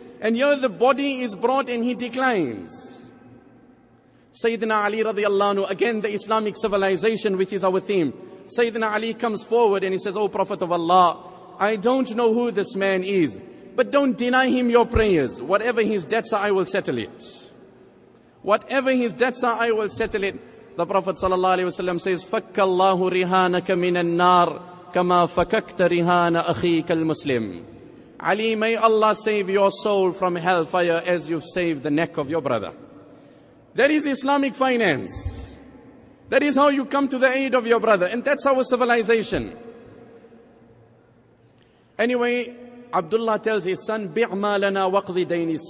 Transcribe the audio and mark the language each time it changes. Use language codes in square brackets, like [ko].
[en] And here the body is brought and he declines. Sayyidina Ali radiallahu anhu, again the Islamic civilization, which is our theme. Sayyidina Ali comes forward and he says, O Prophet of Allah, I don't know who this man is, but don't deny him your prayers. Whatever his debts are, I will settle it. Whatever his debts are, I will settle it. The Prophet sallallahu alaihi wasallam says, [ar] فَكَّ اللَّهُ رِهَانَكَ مِنَ النَّارِ كَمَا فَكَكْتَ رِهَانَ أَخِيكَ الْمُسْلِمِ. [en] Ali, may Allah save your soul from hellfire as you've saved the neck of your brother. That is Islamic finance. That is how you come to the aid of your brother. And that's our civilization. Anyway, Abdullah tells his son, [ar] بِعْمَا لَنَا وَقْضِ دَيْنِي.